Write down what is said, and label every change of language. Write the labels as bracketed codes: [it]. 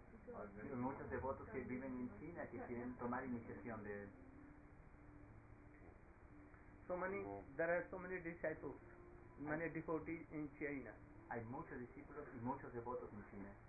[es] Hay muchos devotos que viven en China que quieren tomar iniciación de él. [en] There are so many disciples, many devotees in China. [es] Hay muchos discípulos y muchos devotos en China.